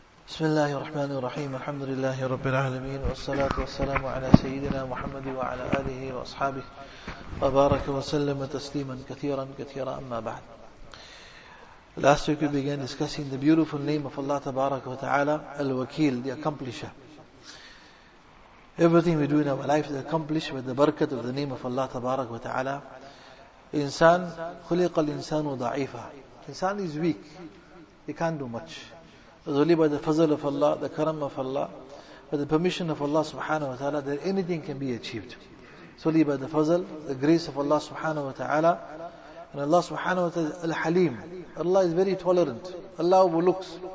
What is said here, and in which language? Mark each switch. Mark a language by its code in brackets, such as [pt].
[ar] بسم الله الرحمن الرحيم، الحمد لله رب العالمين، والصلاة والسلام على سيدنا محمد وعلى آله وأصحابه وبارك وسلم تسليما كثيرا كثيرا. أما بعد، [en] last week we began discussing the beautiful name of Allah [ar] تبارك وتعالى, [en] الوكيل, the accomplisher. Everything we do in our life is accomplished with the barakat of the name of Allah [ar] تبارك وتعالى. إنسان خلق الإنسان ضعيفا. [en] Insan is weak, he can't do much. It's only by the fazl of Allah, the karam of Allah, by the permission of Allah subhanahu wa ta'ala, that anything can be achieved. It's only by the fazl, the grace of Allah subhanahu wa ta'ala. And Allah subhanahu wa ta'ala is al-haleem. Allah is very tolerant. Allah overlooks.